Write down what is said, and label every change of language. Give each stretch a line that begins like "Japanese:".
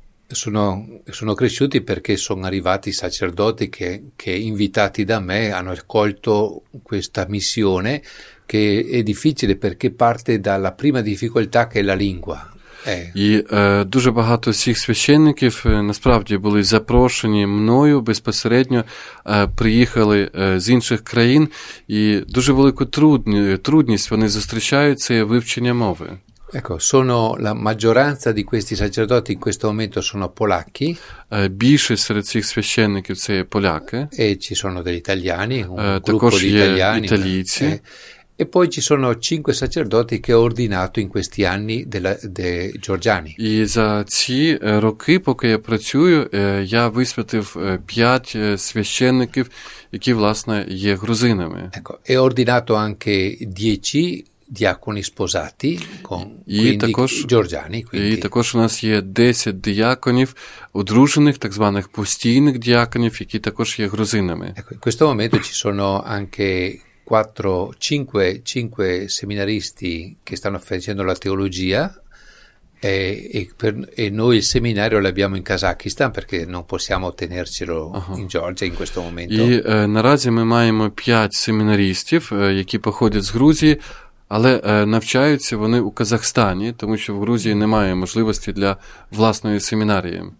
Italian: Ecco, Sono cresciuti perché sono arrivati i sacerdoti che invitati da me hanno accolto questa missione che è difficile perché parte dalla prima difficoltà che è la lingua.
Ukrainian: І дуже багато всіх священників насправді були запрошені мною безпосередньо, приїхали з інших країн, і дуже велику трудність вони зустрічаються і вивчення мови.
Italian: Ecco, sono la maggioranza di questi sacerdoti in questo momento sono polacchi.
Ukrainian: Більшість серед цих священників це є поляки.
Italian: E ci sono degli italiani, un gruppo di italiani.
Ukrainian: Італійці.
Italian: E poi ci sono cinque sacerdoti che ho ordinato in questi anni dei Giorgiani.
Ukrainian: І за ці роки, поки я працюю, я висвятив п'ять священників, які власне є грузинами.
Italian: Ecco, e ho ordinato anche 10 diaconi sposati con Giorgiani.
Ukrainian: І також у нас є 10 діаконів одружених, так званих постійних діаконів, які також є грузинами.
Italian: Ecco, in questo momento ci sono anche 5 seminaristi che stanno facendo la teologia e noi il seminario l'abbiamo in Kazakistan perché non possiamo tenercelo in Georgia in questo momento.
Ukrainian: І наразі ми маємо 5 семінаристів, які походять з Грузії, але навчаються вони у Казахстані, тому що в Грузії немає можливості для власної семінарії.